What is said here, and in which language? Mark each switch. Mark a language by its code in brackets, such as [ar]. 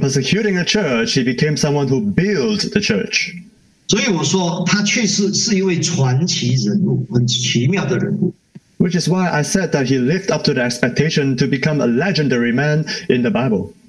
[en] persecuting a church, he became someone who built the church. [zh] 所以我说，他确实是一位传奇人物，很奇妙的人物。 [en] Which is why I said that he lived up to the expectation to become a legendary man in the Bible.